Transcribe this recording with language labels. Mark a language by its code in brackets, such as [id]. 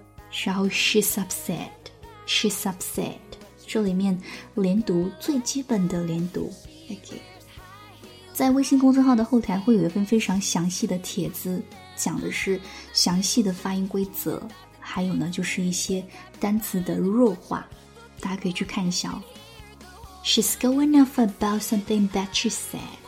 [zh] 然后 [en] she's upset. [zh] 这里面连读最基本的连读。 [en] Okay. [zh] 在微信公众号的后台会有一份非常详细的帖子，讲的是详细的发音规则。还有呢，就是一些单词的弱化，大家可以去看一下哦。 [en] She's going off about something that she said.